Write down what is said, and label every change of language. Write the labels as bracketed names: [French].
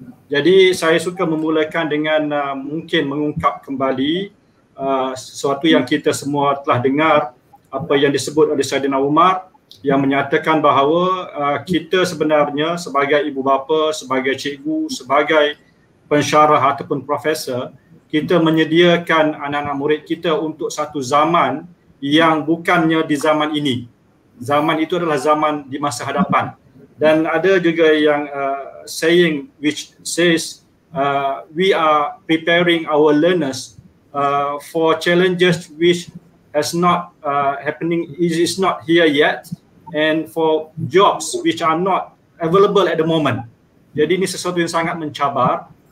[Malay] Jadi saya suka memulakan dengan mungkin mengungkap kembali sesuatu yang kita semua telah dengar, apa yang disebut oleh Saidina Umar yang menyatakan bahawa kita sebenarnya sebagai ibu bapa, sebagai cikgu, sebagai pensyarah ataupun profesor, kita menyediakan anak-anak murid kita untuk satu zaman yang bukannya di zaman ini. Zaman itu adalah zaman di masa hadapan. Dan ada juga yang [English] saying which says we are preparing our learners for challenges which has not happening, is not here yet, and for jobs which are not available at the moment. [Malay] Jadi ini sesuatu yang sangat mencabar.